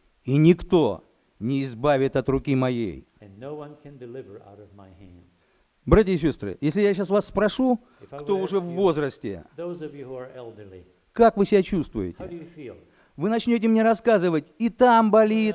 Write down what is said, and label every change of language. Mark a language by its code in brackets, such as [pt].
[ru] И никто не избавит от руки моей. [en] And no one can deliver out of my hand. [ru] Братья и сестры, если я сейчас вас спрошу, кто уже в возрасте, [en] those of you who are elderly, [ru] как вы себя чувствуете? [en] How do you feel? [ru] Вы начнете мне рассказывать, и там болит,